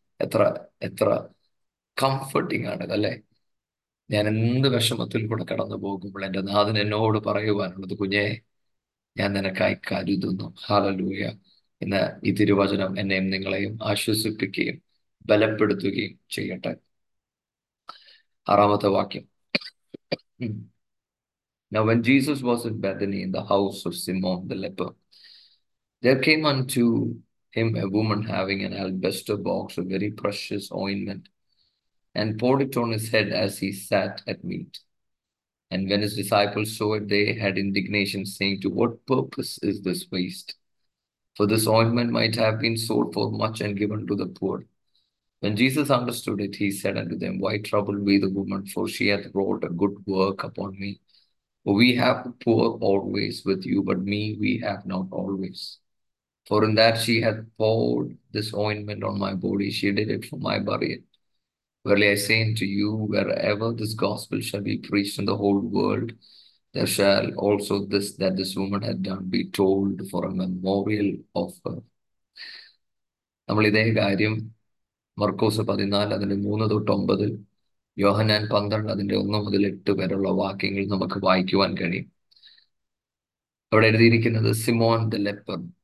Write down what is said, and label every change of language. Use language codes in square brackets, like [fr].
[ml] എത്ര എത്ര കംഫർട്ടിംഗ് ആണ് അല്ലേ? ഞാൻ എന്ത് വിഷമത്തിൽ കൂടെ കടന്നു പോകുമ്പോൾ എൻ്റെ നാഥൻ എന്നോട് പറയുവാനുള്ളത്, കുഞ്ഞേ ഞാൻ നിനക്കായി കരുതുന്നു. ഹല്ലേലൂയ. ഇന്ന് ഈ തിരുവചനം എന്നെയും നിങ്ങളെയും ആശ്വസിപ്പിക്കുകയും ബലപ്പെടുത്തുകയും ചെയ്യട്ടെ. 6-ാമത്തെ വാക്യം. [en] Now when Jesus was in Bethany in the house of Simon the leper, there came unto him a woman having an alabaster box of very precious ointment, and poured it on his head as he sat at meat. And when his disciples saw it, they had indignation, saying, To what purpose is this waste? For this ointment might have been sold for much and given to the poor. When Jesus understood it, he said unto them, Why trouble we the woman? For she hath wrought a good work upon me. For we have poor always with you, but me we have not always. For in that she hath poured this ointment on my body, she did it for my burial. Verily I say unto you, wherever this gospel shall be preached in the whole world, there shall also this that this woman hath done be told for a memorial of her. [ml] നമ്മൾ ഇതേ കാര്യം മർക്കോസ് 14 അതിൻ്റെ 3-9, യോഹന്നാൻ 12 അതിൻ്റെ 1-8 വരെയുള്ള വാക്യങ്ങൾ നമുക്ക് വായിക്കുവാൻ കഴിയും. അവിടെ എഴുതിയിരിക്കുന്നത് സിമോൻ ദ ലെപ്പർ.